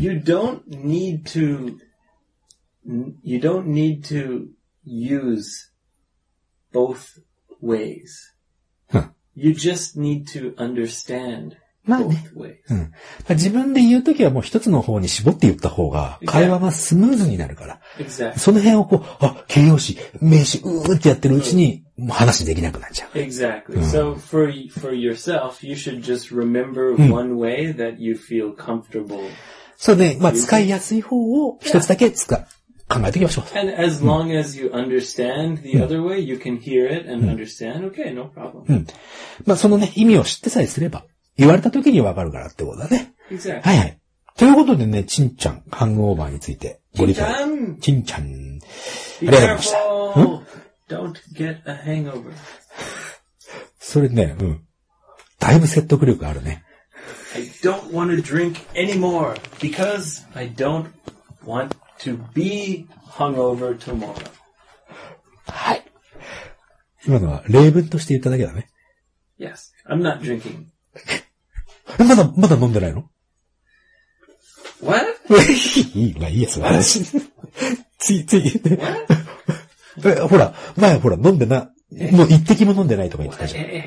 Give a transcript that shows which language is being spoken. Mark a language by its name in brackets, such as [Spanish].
[English] you don't need to use both ways.、 [Japanese] うん、 [English] you just need to understand、 [Japanese] まあね、 [English] both ways.、 [Japanese] うん、自分で言うときはもう一つの方に絞って言った方が会話がスムーズになるから。 [English] Exactly. [Japanese] その辺をこう、あ、形容詞、名詞、うーってやってるうちに、もう話できなくなっちゃう。 [English] Exactly.、うん、so, for yourself, you should just remember one way that you feel comfortable. [Japanese] そうね。まあ、使いやすい方を一つだけ考えていきましょう。 [English] And as long as you understand the other way, you can hear it and understand. Okay, no problem. [Japanese] うん。まあ、そのね、意味を知ってさえすれば、言われた時にわかるからってことだね。 [English] Exactly. [Japanese] はいはい。ということでね、ちんちゃん、ハングオーバーについて、ご理解。ちんちゃん。ありがとうございました。 [English] Don't get a hangover. [Japanese] それね、うん。だいぶ説得力あるね。 [English] I don't want to drink anymore because I don't want to be hungover tomorrow. [Japanese] はい。今のは例文として言っただけだね。 [English] Yes, I'm not drinking. [Japanese] まだ飲んでないの？ [English] What? [Japanese] まあいいや、素晴らしい。ついに。 [English] What? [Japanese] ほら、前ほら、飲んでな、もう一滴も飲んでないとか言ってたじゃん。